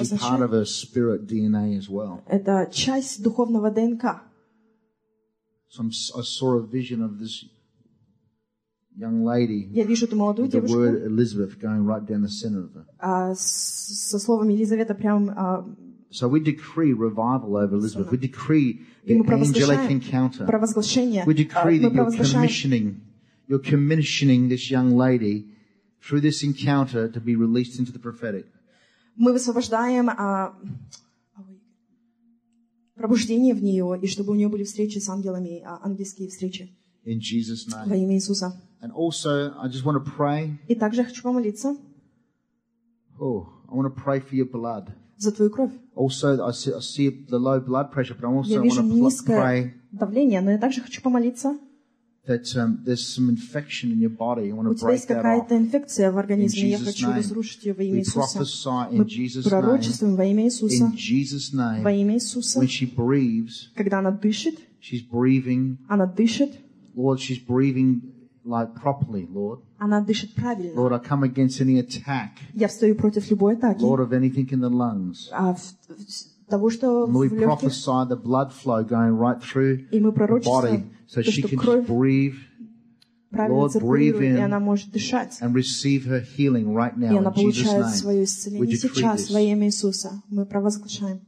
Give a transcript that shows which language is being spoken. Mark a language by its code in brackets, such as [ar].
[en] It's actually part of her spirit DNA as well. [ru] Это часть духовного ДНК. [en] So I saw a vision of this young lady, the word Elizabeth going right down the center of her. [ru] Со словом Елизавета прямо. [en] So we decree revival over Elizabeth. We decree the angelic encounter. We decree that you're commissioning this young lady through this encounter to be released into the prophetic. [ru] Мы высвобождаем пробуждение в нее, и чтобы у нее были встречи с ангелами, ангельские встречи. [en] In Jesus' name. [ru] Во имя Иисуса. [en] And also, I just want to pray. [ru] И также хочу помолиться. [en] Oh, I want to pray for your blood. [ru] За твою кровь. [en] Also, I see the low blood pressure, but I also pray. [ru] Я вижу низкое давление, но я также хочу помолиться. [en] That there's some infection in your body. You want to break that off. [ru] У тебя есть какая-то инфекция в организме. Я хочу разрушить ее во имя Иисуса. [en] We prophesy in Jesus' name. [ru] Мы пророчествуем во имя Иисуса. [en] In Jesus' name. [ru] Во имя Иисуса. [en] When she breathes. [ru] Когда она дышит. [en] She's breathing. [ru] Она дышит. [en] Lord, she's breathing like properly, Lord. [ru] Она дышит правильно. [en] Lord, I come against any attack. [ru] Я встаю против любой атаки. [en] Lord, of anything in the lungs. [ru] Того, что [en] and we prophesy the blood flow going right through the body so [ru] то, [en] she can just breathe. Lord, breathe in and receive her healing right now in Jesus' name. We decree this.